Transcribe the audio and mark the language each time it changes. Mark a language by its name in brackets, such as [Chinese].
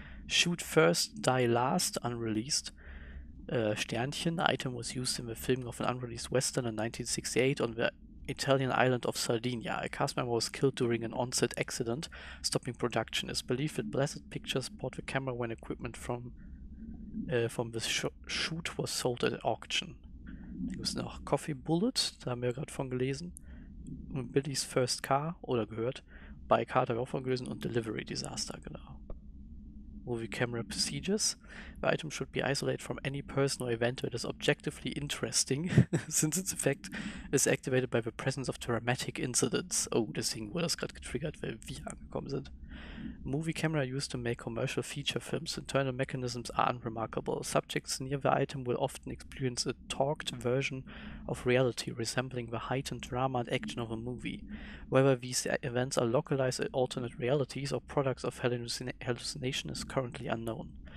[English] Shoot First, Die Last, unreleased. Sternchen, the item was used in the filming of an unreleased western in 1968 on the Italian island of Sardinia. A cast member was killed during an on-set accident, stopping production. It's believed that Blessed Pictures bought the camera when equipment from the shoot was sold at auction. [German] Dann gibt es noch Coffee Bullet, da haben wir gerade von gelesen. Und Billy's First Car, oder gehört. Bike Hard habe ich auch von gelesen. Und Delivery Disaster, genau. [English] Movie Camera Procedures. The item should be isolated from any person or event that is objectively interesting, since its effect is activated by the presence of dramatic incidents. [German] Oh, deswegen wurde das gerade getriggert, weil wir angekommen sind. [English] Movie camera used to make commercial feature films. Internal mechanisms are unremarkable. Subjects near the item will often experience a talked version of reality resembling the heightened drama and action of a movie. Whether these events are localized alternate realities or products of hallucination is currently unknown.